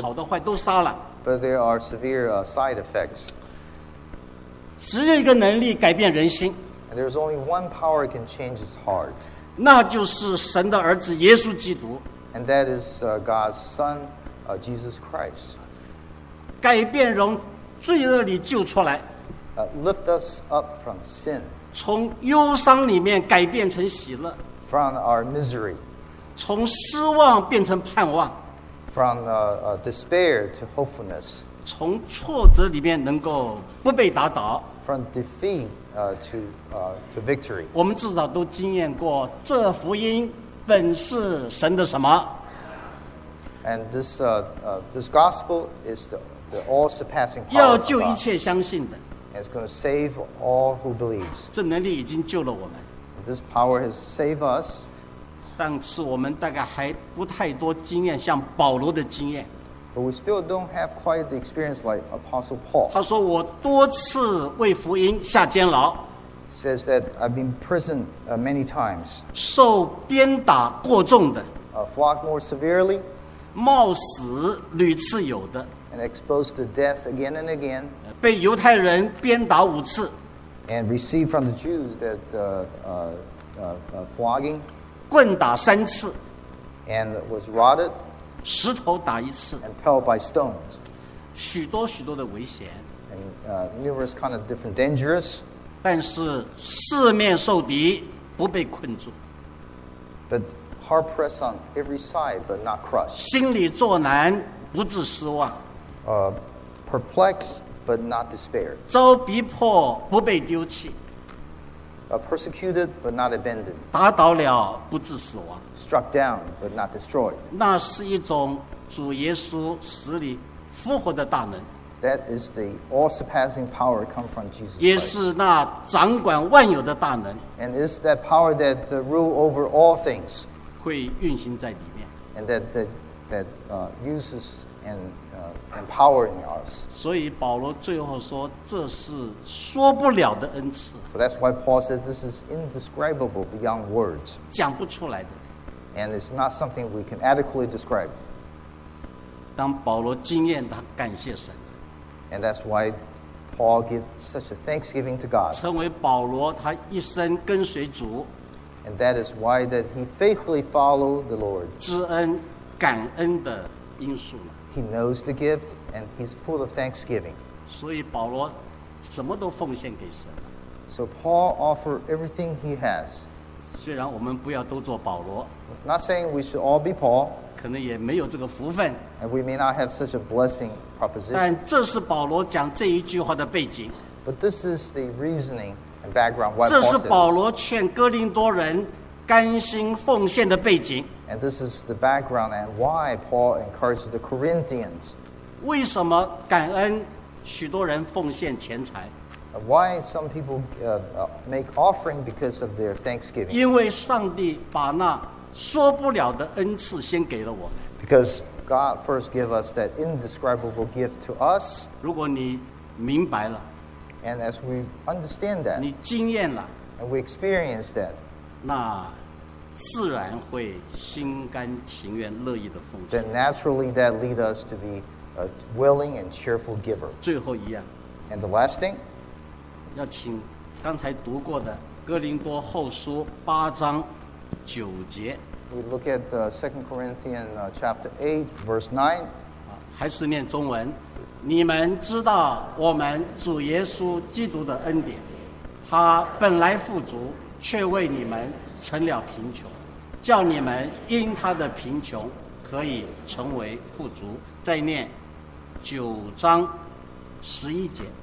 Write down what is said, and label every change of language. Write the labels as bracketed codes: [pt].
[en] but, [zh] 好的坏都杀了 [en] but there are severe side effects [zh] 只有一个能力改变人心 [en] and there's only one power can change his heart [zh] 那就是神的儿子耶稣基督。 [en] And that is God's Son, Jesus Christ. [zh] 改变人，罪恶里救出来。 [en] Lift us up from sin. [zh] 从忧伤里面改变成喜乐。 [en] From our misery. [zh] 从失望变成盼望。 [en] From despair to hopefulness. [zh] 从挫折里面能够不被打倒。 [en] From defeat to victory. [zh] 我们至少都经验过这福音本是神的什么。 [en] And this gospel is the all-surpassing power. [zh] 要救一切相信的。 [en] And it's going to save all who believes. [zh] 这能力已经救了我们。 [en] This power has saved us. [zh] 但是我们大概还不太多经验，像保罗的经验。 [en] But we still don't have quite the experience like Apostle Paul. [zh] 他说我多次为福音下监牢。 [en] Says that I've been prisoned many times. [zh] 受鞭打过重的。 [en] Flogged more severely. [zh] 冒死屡次有的。 [en] And exposed to death again and again. [zh] 被犹太人鞭打五次。 [en] And received from the Jews that flogging. [zh] 棍打三次。 [en] And was rotted. [zh] 石头打一次 [en] and pelled by stones, [zh] 许多许多的危险 [en] and, numerous kind of different dangers, [zh] 但是四面受敌不被困住 [en] but hard pressed on every side but not crushed, [zh] 心里作难不致失望 [en] perplexed but not despaired, [zh] 遭逼迫不被丢弃 [en] persecuted but not abandoned, [zh] 打倒了不致死亡 [en] Struck down but not destroyed. [zh] 那是一种主耶稣死里复活的大能。 [en] That is the all-surpassing power come from Jesus Christ. [zh] 也是那掌管万有的大能。 [en] And is that power that rule over all things. [zh] 会运行在里面。 [en] And that uses and empowering us. [zh] 所以保罗最后说，这是说不了的恩赐。 [en] So that's why Paul said this is indescribable beyond words. [zh] 讲不出来的。 [en] And it's not something we can adequately describe. [zh] 当保罗经验他感谢神。 [en] And that's why Paul gives such a thanksgiving to God. [zh] 成为保罗他一生跟随主。 [en] And that is why that he faithfully followed the Lord. [zh] 知恩感恩的因素。 [en] He knows the gift and he's full of thanksgiving. [zh] 所以保罗什么都奉献给神。 [en] So Paul offered everything he has. [zh] 虽然我们不要都做保罗 [en] not saying we should all be Paul [zh] 可能也没有这个福分 [en] and we may not have such a blessing proposition [zh] 但这是保罗讲这一句话的背景 [en] but this is the reasoning and background why [zh] Paul 这是保罗劝哥林多人甘心奉献的背景 [en] and this is the background and why Paul encouraged the Corinthians [zh] 为什么感恩许多人奉献钱财 [en] Why some people make offering because of their thanksgiving? [zh] 因为上帝把那说不了的恩赐先给了我们。 [en] Because God first gave us that indescribable gift to us. [zh] 如果你明白了。 [en] And as we understand that. [zh] 你经验了。 [en] And we experience that. [zh] 那自然会心甘情愿乐意的奉献。 [en] Then naturally that lead us to be a willing and cheerful giver. [zh] 最后一样。 [en] And the last thing. [zh] 要请刚才读过的哥林多后书八章九节。 [en] We look at the Second Corinthians chapter 8 verse 9. [zh] 还是念中文。你们知道我们主耶稣基督的恩典，他本来富足，却为你们成了贫穷，叫你们因他的贫穷可以成为富足。再念九章十一节。